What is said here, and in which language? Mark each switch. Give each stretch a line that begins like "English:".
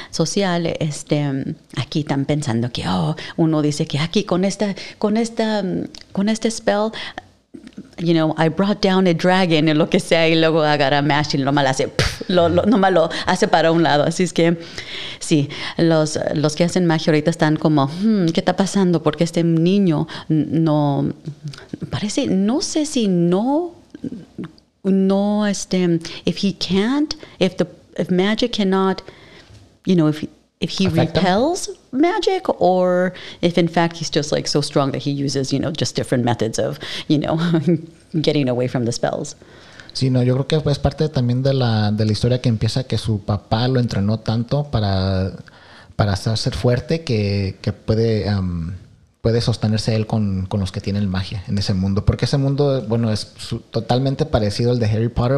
Spanish: Social, aquí están pensando que, uno dice que aquí con este spell...
English: You know, I brought down a dragon
Spanish: o lo que sea y luego agarra Mash y lo hace para un lado. Así es que sí, los que hacen magia ahorita están como, ¿qué está pasando? Porque este niño no parece, no sé si no
English: if he can't, if magic cannot, you know, if he repels magic or if in fact he's just like so strong that he uses, you know, just different methods of, you know, getting away from the spells.
Spanish: Sí, no, yo creo que es parte también de la historia que empieza que su papá lo entrenó tanto para hacerse fuerte que puede puede sostenerse él con los que tienen magia en ese mundo. Porque ese mundo, bueno, es totalmente parecido al de Harry Potter.